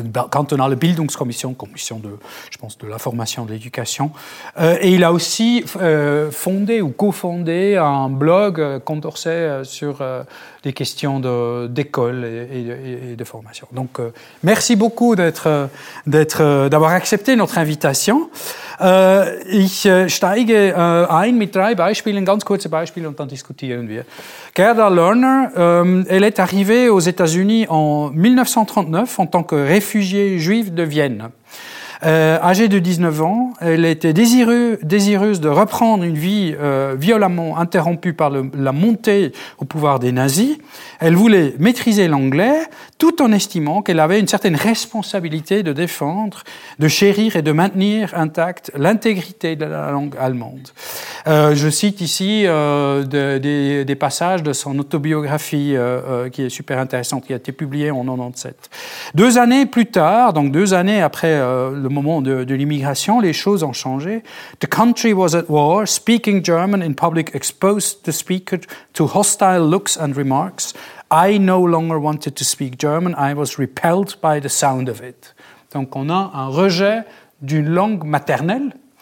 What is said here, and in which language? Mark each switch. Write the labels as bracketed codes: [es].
[fr] Quand on a le Bildungskommission, commission de, je pense, de la formation, de l'éducation, et il a aussi fondé ou cofondé un blog Condorcet sur des questions d'école et de formation. Donc, merci beaucoup d'avoir accepté notre invitation. [de] Ich steige ein mit drei Beispielen, ganz kurze Beispiele, und dann diskutieren wir. [fr] Gerda Lerner, elle est arrivée aux États-Unis en 1939 en tant que réfugiée juive de Vienne. Âgée de 19 ans, elle était désireuse de reprendre une vie violemment interrompue par la montée au pouvoir des nazis. Elle voulait maîtriser l'anglais tout en estimant qu'elle avait une certaine responsabilité de défendre, de chérir et de maintenir intacte l'intégrité de la langue allemande. Je cite ici des passages de son autobiographie qui est super intéressante, qui a été publiée en 97. Deux années plus tard, donc deux années après le moment de l'immigration, les choses ont changé. [en] The country was at war, speaking German in public exposed the speaker to hostile looks and remarks. I no longer wanted to speak German, I was repelled by the sound of it. [fr] Donc on a un rejet d'une langue maternelle.